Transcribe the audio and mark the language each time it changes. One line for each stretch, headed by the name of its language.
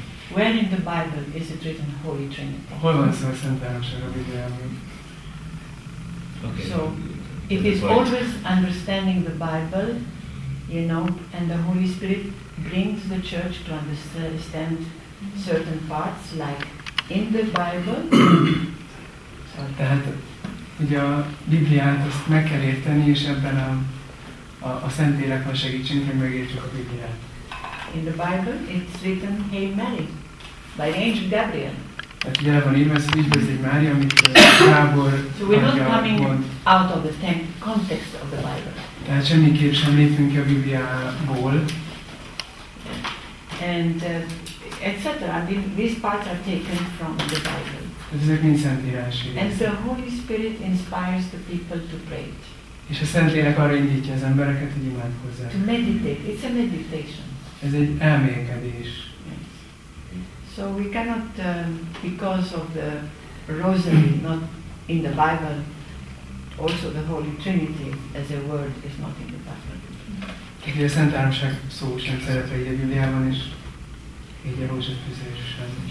English: When in the Bible is it written Holy Trinity?
Hungarian: Hol van szó a Szent Háromság a Bibliában?
English: Okay. So it is always understanding the Bible, you know, and the Holy Spirit brings the church to understand certain parts, like in the Bible.
Hungarian: Tehát ugye a Bibliát azt meg kell érteni, és ebben a Szentlélek van segítsünk, hogy megértsük a Bibliát.
English: In the Bible it's written Hail Mary by the angel Gabriel.
Hungarian: Tehát ugye el van írva, ezt így beszélj Mária, amit Gábor
English: so we're not coming
Hungarian: mond.
English: Out of the context of the Bible.
Hungarian: Tehát semmiképp sem lépünk a Bibliából.
English: And etc. These parts are taken from the Bible.
Hungarian: Ezek mind szentírási.
English: And the Holy Spirit inspires the people to pray.
Hungarian: És a Szentlélek arra indítja az embereket, hogy imádkozzanak.
English: To meditate. It's a meditation.
Hungarian: Ez egy elmélkedés.
English: Yes. So we cannot, because of the rosary, not in the Bible, also the Holy Trinity as a word is not in the Bible.
Hungarian: Tehát a Szent Háromság szó sem szerepel a Bibliában, és így a rózsafűzés sem.